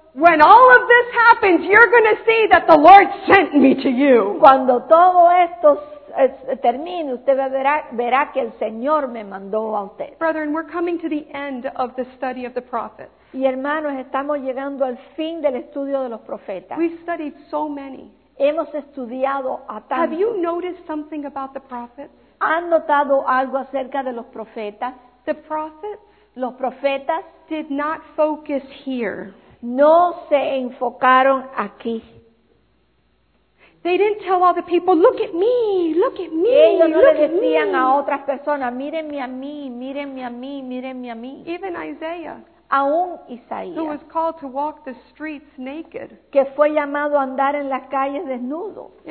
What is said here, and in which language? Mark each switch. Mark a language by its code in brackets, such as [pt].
[en] When all of this happens, you're going to see that the Lord sent me to you. [es] Cuando todo esto termine, usted verá que el Señor me mandó a usted. [en] Brethren, we're coming to the end of the study of the prophets. [es] Y hermanos, estamos llegando al fin del estudio de los profetas. [en] We've studied so many. [es] Hemos estudiado a tantos. [en] Have you noticed something about the prophets? [es] ¿Han notado algo acerca de los profetas? [en] The prophets. [es] Los profetas [en] did not focus here. [es] No se enfocaron aquí. [en] They didn't tell all the people, look at me, look at me. [es] Ellos no [en] look [es] le decían [en] me. [es] A otras personas, mírenme a mí, mírenme a mí, mírenme a mí. [en] Even Isaiah, [es] aún Isaías, [en] who was called to walk the streets naked, [es] que fue llamado a andar en las calles desnudo.